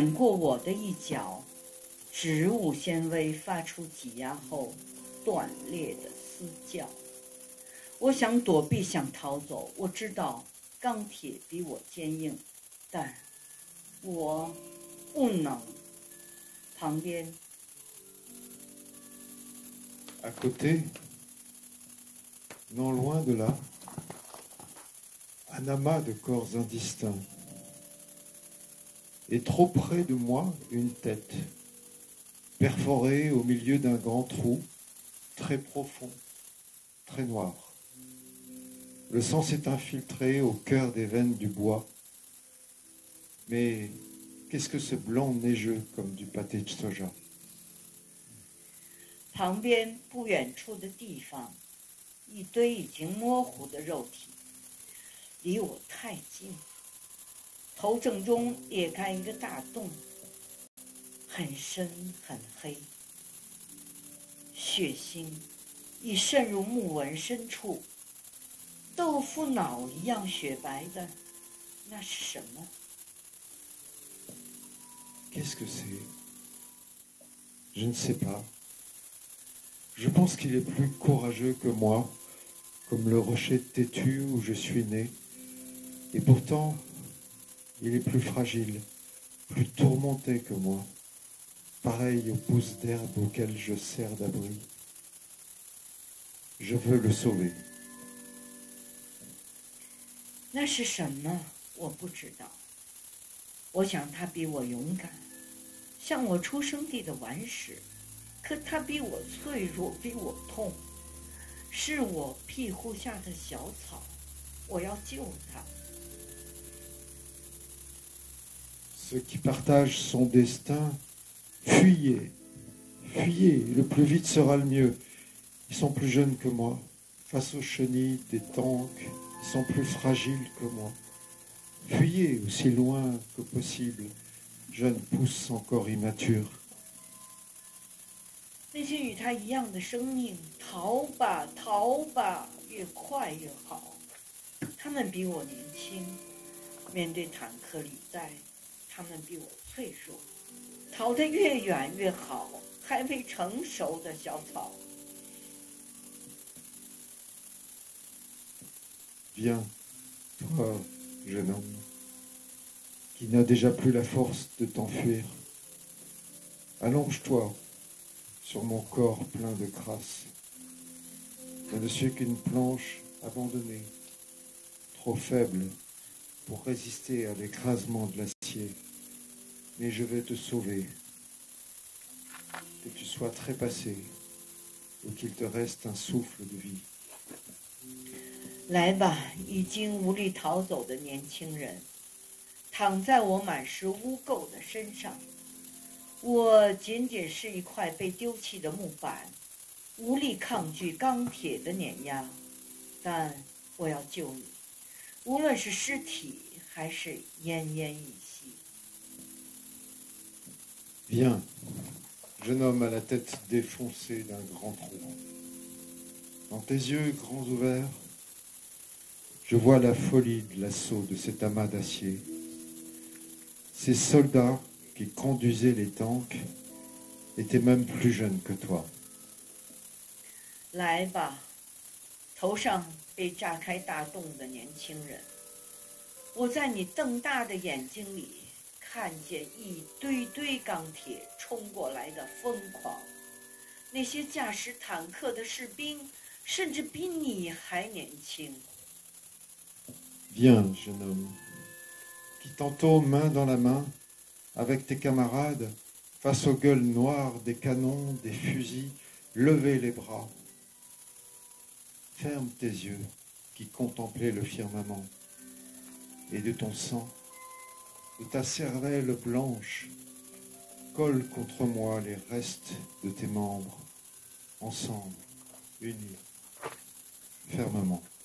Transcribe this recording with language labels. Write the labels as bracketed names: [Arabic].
[Chinese] 长安街抽搐时，我也跟着颤，震颤，履带碾过我的一脚。植物纤维发出挤压后断裂的嘶叫，我想躲避，想逃走。我知道钢铁比我坚硬，但我不能。旁边 [French] ，à côté， non loin de là， un amas de corps indistincts， et trop près de moi une tête。 Perforé au milieu d'un grand trou, très profond, très noir. Le sang s'est infiltré au cœur des veines du bois. Mais qu'est-ce que ce blanc neigeux comme du pâté de soja ? [Chinese] 旁边不远处的地方, 一堆已经模糊的肉体, 离我太近, 头正中裂开一个大洞, 很深很黑，血腥已渗入木纹深处，豆腐脑一样雪白的，那是什么？ [French] Qu'est-ce que c'est? Je ne sais pas. Je pense qu'il est plus courageux que moi, comme le rocher têtu où je suis né, et pourtant, il est plus fragile, plus tourmenté que moi. Pareil aux pousses d'herbe auxquelles je sers d'abri. Je veux le sauver. C'est quoi? Je ne sais pas. Je pense qu'il est plus courageux que moi, [Chinese] 像我出生地的顽石，可它比我脆弱，比我痛，是我庇护下的小草，我要救它。 [French] Ceux qui partagent son destin, fuyez, fuyez, le plus vite sera le mieux. Ils sont plus jeunes que moi, face aux chenilles des tanks, ils sont plus fragiles que moi. Fuyez aussi loin que possible, jeunes pousses encore immatures. [Chinese] 那些与他一样的生命，逃吧，逃吧，越快越好。他们比我年轻，面对坦克履带，他们比我脆弱，逃得越远越好。还未成熟的小草。 [French] Viens, toi, jeune homme, qui n'a déjà plus la force de t'enfuir. Allonge-toi. Sur mon corps plein de crasse, là-dessus qu'une planche abandonnée, trop faible pour résister à l'écrasement de l'acier, mais je vais te sauver, que tu sois trépassé ou qu'il te reste un souffle de vie. [Chinese] 来吧，已经无力逃走的年轻人，躺在我满是污垢的身上。我仅仅是一块被丢弃的木板，无力抗拒钢铁的碾压，但我要救你，无论是尸体还是奄奄一息。 [French] Viens, jeune homme à la tête défoncée d'un grand trou. Dans tes yeux grands ouverts, je vois la folie de l'assaut de cet amas d'acier. Ces soldats. Qui conduisait les tanks était même plus jeune que toi. [Chinese] 来吧，头上被炸开大洞的年轻人，我在你瞪大的眼睛里看见一堆堆钢铁冲过来的疯狂，那些驾驶坦克的士兵甚至比你还年轻。 [French] Viens, jeune homme, qui tantôt main dans la main. Avec tes camarades, face aux gueules noires des canons, des fusils, levez les bras. Ferme tes yeux qui contemplaient le firmament. Et de ton sang, de ta cervelle blanche, colle contre moi les restes de tes membres, ensemble, unis, fermement.